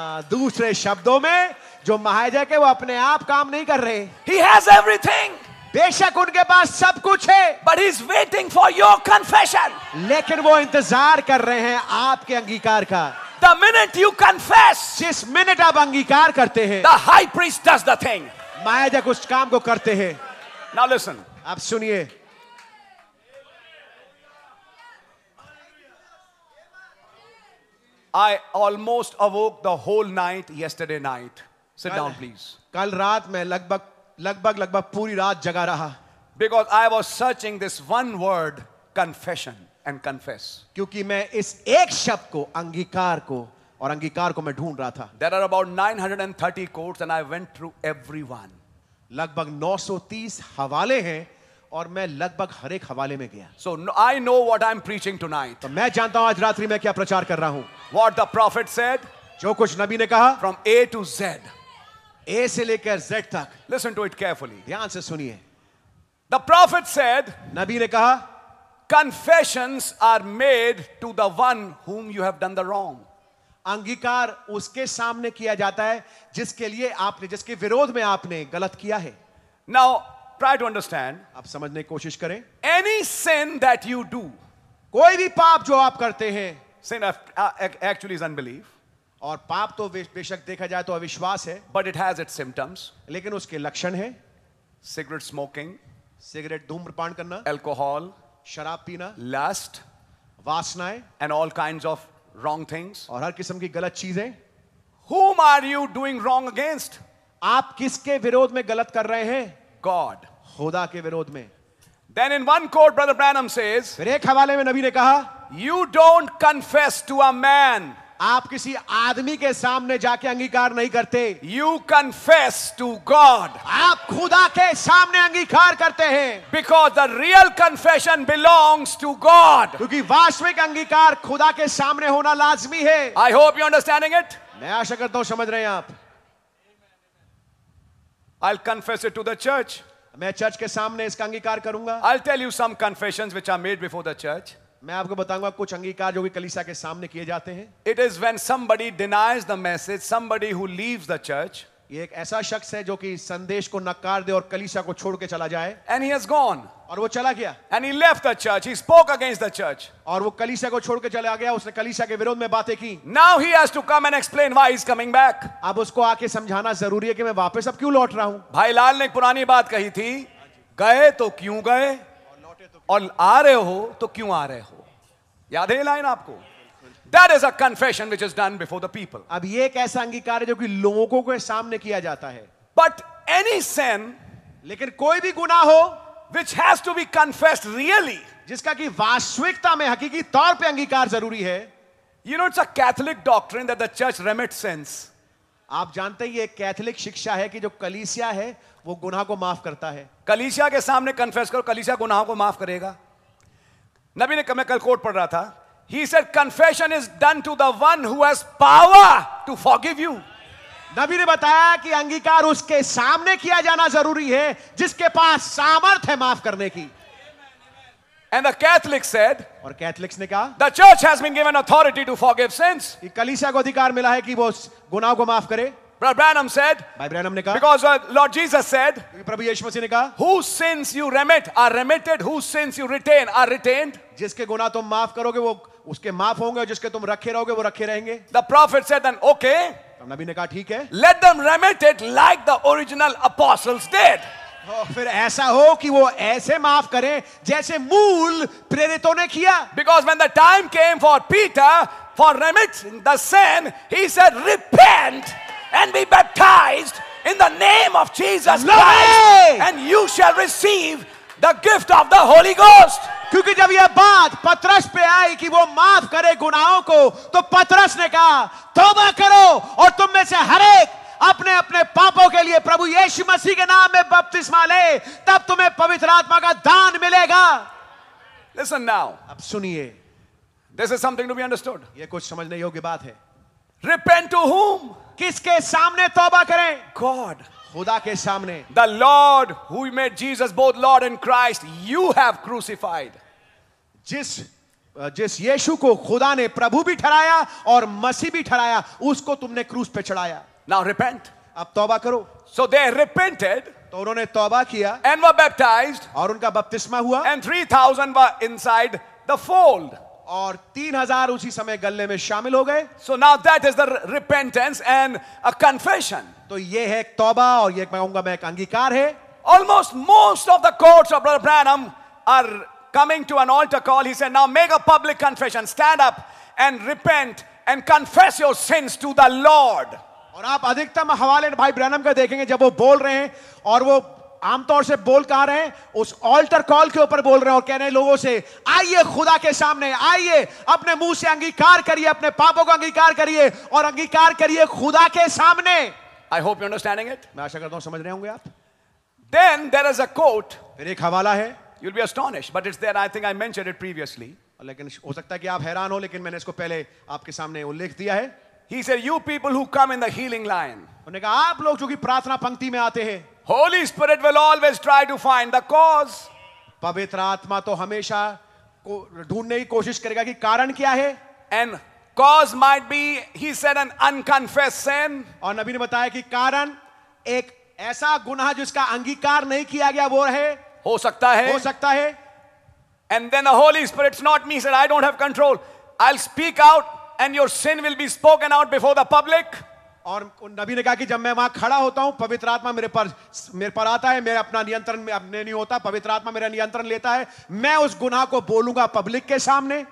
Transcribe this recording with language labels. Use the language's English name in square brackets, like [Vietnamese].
[Hindi] दूसरे शब्दों में जो महायाजक है वो अपने आप काम नहीं कर रहे. [English] He has everything. [Hindi] बेशक उनके पास सब कुछ है. [English] But he's waiting for your confession. [Hindi] लेकिन वो इंतजार कर रहे हैं आपके अंगीकार का. [English] The minute you confess, [Hindi] जिस मिनट आप अंगीकार करते हैं, [English] the high priest does the thing. [Hindi] महायाजक उस काम को करते हैं. [English] Now listen. [Hindi] आप सुनिए. [English] I almost awoke the whole night yesterday night. Sit down, please. [Hindi] कल रात मैं लगभग लगभग लगभग पूरी रात जगा रहा. [English] Because I was searching this one word, confession and confess. [Hindi] क्योंकि मैं इस एक शब्द को अंगीकार को और अंगीकार को मैं ढूंढ रहा था. [English] There are about 930 quotes and I went through every one. [Hindi] लगभग 930 हवाले हैं और मैं लगभग हर एक हवाले में गया. [English] So I know what I'm preaching tonight. [Hindi] तो मैं जानता हूं आज रात्रि मैं क्या प्रचार कर रहा हूं. [English] What the prophet said. [Hindi] जो कुछ नबी ने कहा. [English] From A to Z. [Hindi] A से लेकर Z तक. [English] Listen to it carefully. [Hindi] ध्यान से सुनिए. [English] The prophet said. [Hindi] नबी ने कहा. [English] Confessions are made to the one whom you have done the wrong. [Hindi] अंगीकार उसके सामने किया जाता है जिसके लिए आपने जिसके विरोध में आपने गलत किया है. [English] Now try to understand. [Hindi] आप समझने की कोशिश करें. [English] Any sin that you do. [Hindi] कोई भी पाप जो आप करते हैं. [English] Sin actually is unbelief. [Hindi] और पाप तो बेशक देखा जाए तो अविश्वास है. [English] But it has its symptoms. [Hindi] लेकिन उसके लक्षण हैं. [English] Cigarette smoking. [Hindi] सिगरेट धूम्रपान करना. [English] Alcohol. [Hindi] शराब पीना. [English] Lust. [Hindi] वासनाएं. [English] And all kinds of wrong things. [Hindi] और हर किस्म की गलत चीजें. [English] Whom are you doing wrong against? [Hindi] आप किसके विरोध में गलत कर रहे हैं? [English] God. [Hindi] खुदा के विरोध में. [English] Then in one quote, Brother Branham says. [Hindi] फिर एक हवाले में नबी ने कहा. [English] You don't confess to a man. [Hindi] आप किसी आदमी के सामने जाके अंगीकार नहीं करते. [English] You confess to God. [Hindi] आप खुदा के सामने अंगीकार करते हैं. [English] Because the real confession belongs to God. [Hindi] क्योंकि वास्तविक अंगीकार खुदा के सामने होना लाजमी है. [English] I hope you're understanding it. [Hindi] मैं आशा करता हूं समझ रहे हैं आप. [English] I'll confess it to the church. [Hindi] मैं चर्च के सामने इसका अंगीकार करूंगा. [English] I'll tell you some confessions which are made before the church. [Hindi] मैं आपको बताऊंगा कुछ अंगीकार जो कि कलीसिया के सामने किए जाते हैं. [English] It is when somebody denies the message, somebody who leaves the church. [Hindi] ये एक ऐसा शख्स है जो कि संदेश को नकार दे और कलीसिया को छोड़ के चला जाए. [English] And he has gone. [Hindi] और वो चला गया. [English] And he left the church. He spoke against the church. [Hindi] और वो कलीसिया को छोड़ के चला गया. उसने कलीसिया के विरोध में बातें की. [English] Now he has to come and explain why he's coming back. [Hindi] अब उसको आके समझाना जरूरी है कि मैं वापस अब क्यों लौट रहा हूं. भाई लाल ने एक पुरानी बात कही थी. गए तो क्यों गए और आ रहे हो तो क्यों आ रहे हो. याद है लाइन आपको. [English] That is a confession which is done before the people. [Hindi] अब ये एक ऐसा अंगीकार है जो कि लोगों के सामने किया जाता है. [English] But any sin, [Hindi] लेकिन कोई भी गुनाह हो, [English] which has to be confessed really, [Hindi] जिसका कि वास्तविकता में हकीकी तौर पे अंगीकार जरूरी है. [English] You know it's a Catholic doctrine that the church remits sins. [Hindi] आप जानते हैं ये कैथोलिक शिक्षा है कि जो कलीसिया है वो गुनाह को माफ करता है. कलीसिया के सामने कन्फेस करो, कलीसिया गुनाह को माफ करेगा. नबी ने कल कोट पढ़ रहा था. [English] He said confession is done to the one who has power to forgive you. [Hindi] नबी ने बताया कि अंगीकार उसके सामने किया जाना जरूरी है जिसके पास सामर्थ है माफ करने की. [English] And the Catholics said. [Hindi] और कैथोलिक्स ने कहा. [English] The church has been given authority to forgive sins. [Hindi] कि कलीसिया को अधिकार मिला है कि वो गुनाह को माफ करे. [English] Brother Branham said. [Hindi] भाई ब्रैनम ने कहा. [English] Because Lord Jesus said. [Hindi] प्रभु यीशु मसीह ने कहा. [English] Whose sins you remit are remitted, whose sins you retain are retained. [Hindi] जिसके गुनाह तुम माफ करोगे वो उसके माफ होंगे और जिसके तुम रखे रहोगे वो रखे रहेंगे. [English] The prophet said then okay. [Hindi] तब नबी ने कहा ठीक है. [English] Let them remit it like the original apostles did. [Hindi] फिर ऐसा हो कि वो ऐसे माफ करें जैसे मूल प्रेरितों ने किया. [English] Because when the time came for Peter for remitting the sin, he said, "Repent and be baptized in the name of Jesus Christ, and you shall receive the gift of the Holy Ghost." [Hindi] क्योंकि जब यह बात पत्रस पे आई कि वो माफ करे गुनाहों को, तो पत्रस ने कहा, "तौबा करो और तुम में से हर एक अपने अपने पापों के लिए प्रभु यीशु मसीह के नाम में बपतिस्मा ले, तब तुम्हें पवित्र आत्मा का दान मिलेगा." [English] Listen now. [Hindi] अब सुनिए. [English] This is something to be understood. [Hindi] ये कुछ समझने योग्य बात है. [English] Repent to whom? [Hindi] किसके सामने तौबा करें? [English] God. [Hindi] खुदा के सामने. [English] The Lord who made Jesus both Lord and Christ, you have crucified. [Hindi] जिस यीशु को खुदा ने प्रभु भी ठहराया और मसीह भी ठहराया, उसको तुमने क्रूस पे चढ़ाया. [English] Now repent. [Hindi] अब तौबा करो. [English] So they repented. [Hindi] तो उन्होंने तौबा किया. [English] And were baptized. [Hindi] और उनका बपतिस्मा हुआ. [English] And 3,000 were inside the fold. [Hindi] और 3,000 उसी समय गल्ले में शामिल हो गए. [English] So now that is the repentance and a confession. [Hindi] तो ये है तौबा और ये मैं कहूंगा मैं एक अंगीकार है. [English] Almost most of the courts of Brother Branham are coming to an altar call. He said, "Now make a public confession. Stand up and repent and confess your sins to the Lord." [Hindi] और आप अधिकतम हवाले भाई Branham का देखेंगे जब वो बोल रहे हैं और वो आमतौर से बोल कहां रहे हैं, उस ऑल्टर कॉल के ऊपर बोल रहे हैं और कह रहे हैं लोगों से आइए खुदा के सामने, आइए अपने मुंह से अंगीकार करिए, अपने पापों को अंगीकार करिए और अंगीकार करिए खुदा के सामने। [English] I hope you understanding it. [Hindi] मैं आशा करता हूं समझ रहे होंगे आप। [English] then there is a quote, [Hindi] फिर एक हवाला है। [English] you will be astonished but it's there, I think I mentioned it previously, [Hindi] लेकिन हो सकता है कि आप हैरान हो लेकिन मैंने इसको पहले आपके सामने उल्लेख दिया है। [English] He said, "You people who come in the healing line." [Hindi] उन्होंने कहा आप लोग जो कि प्रार्थना पंक्ति में आते हैं। [English] Holy Spirit will always try to find the cause. [Hindi] पवित्र आत्मा तो हमेशा ढूंढने की कोशिश करेगा कि कारण क्या है। [English] And cause might be, he said, an unconfessed sin. [Hindi] और नबी ने बताया कि कारण एक ऐसा गुनाह जिसका अंगीकार नहीं किया गया वो है। हो सकता है। हो सकता है। [English] And then the Holy Spirit's not me, said, "I don't have control. I'll speak out." And your sin will be spoken out before the public. [Hindi] और नबी ने कहा कि जब मैं वहां खड़ा होता हूं पवित्र आत्मा मेरे पर आता है, मेरा अपना नियंत्रण नहीं होता, पवित्र आत्मा मेरा नियंत्रण लेता है, मैं उस गुनाह को बोलूंगा पब्लिक के सामने।